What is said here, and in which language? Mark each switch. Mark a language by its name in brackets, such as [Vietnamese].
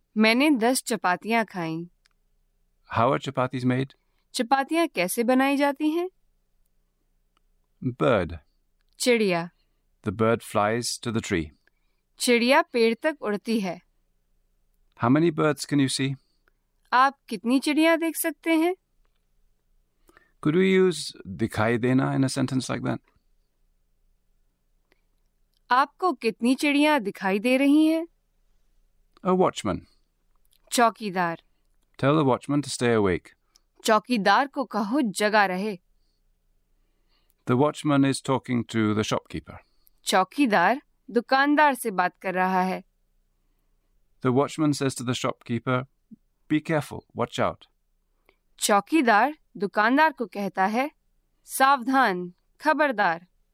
[Hindi] Maine 10 chapatiyan khayi. [English] How are chapatis made? [Hindi] Chapatiyan kaise banayi jati hain? [English] Bird. [Hindi] Chidiya. [English] The bird flies to the tree. [Hindi] Chidiya ped tak udti hai. [English] How many birds can you see? [Hindi] आप कितनी चिड़िया देख सकते हैं? [English] Could we use दिखाई देना in a sentence like that? [Hindi] आपको कितनी चिड़िया दिखाई दे रही हैं? [English] A watchman. [Hindi] चौकीदार. [English] Tell the watchman to stay awake. [Hindi] चौकीदार को कहो जगा रहे. [English] The watchman is talking to the shopkeeper. [Hindi] चौकीदार दुकानदार से बात कर रहा है. [English] The watchman says to the shopkeeper, Be careful, watch out. [Hindi] चौकीदार दुकानदार को कहता है सावधान खबरदार